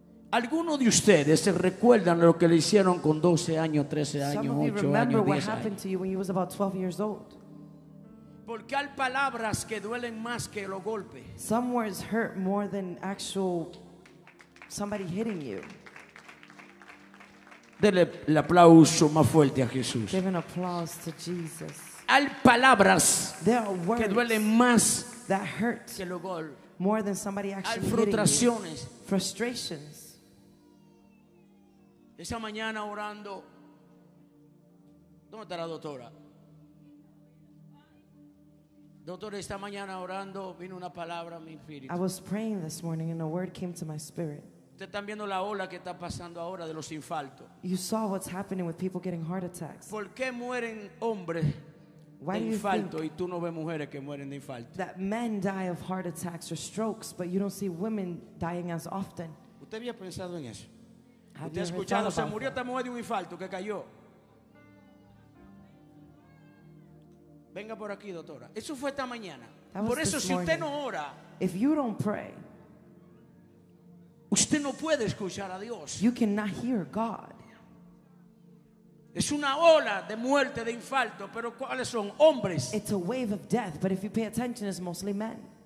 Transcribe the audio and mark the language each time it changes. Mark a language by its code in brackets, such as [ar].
[es] ¿Alguno de ustedes se recuerdan lo que le hicieron con 12 años, 13 años, 8 años, 10 años? [en] Some of you remember what happened to you when you was about 12 years old. [es] Porque hay palabras que duelen más que los golpes. [en] Some words hurt more than actual somebody hitting you. [es] Dele el aplauso más fuerte a Jesús. [en] Give an applause to Jesus. [es] Hay palabras [en] words [es] que duelen más [en] that hurt [es] que lo gol. [en] More than somebody actually [es] hay frustraciones. [en] Hitting you. Frustrations. [es] Esa mañana orando. ¿Dónde está la doctora? Doctora, esta mañana orando vino una palabra a mi espíritu. [en] I was praying this morning and a word came to my spirit. [es] Ustedes están viendo la ola que está pasando ahora de los infartos. [en] You saw what's happening with people getting heart attacks. [es] ¿Por qué mueren hombres [en] why [es] de infarto y tú no ves mujeres que mueren de infarto? [en] That men die of heart attacks or strokes, but you don't see women dying as often. [es] ¿Usted había pensado en eso? [en] Have [es] ¿usted ha escuchado? Se murió esta mujer de un infarto que cayó. Venga por aquí, doctora. Eso fue esta mañana. Por eso, si [en] morning. [es] Usted no ora, [en] if you don't pray, [es] usted no puede escuchar a Dios. [en] You cannot hear God. [es] Es una ola de muerte, de infarto, pero ¿cuáles son? Hombres. [en] It's a wave of death, but if you pay attention, it's mostly men.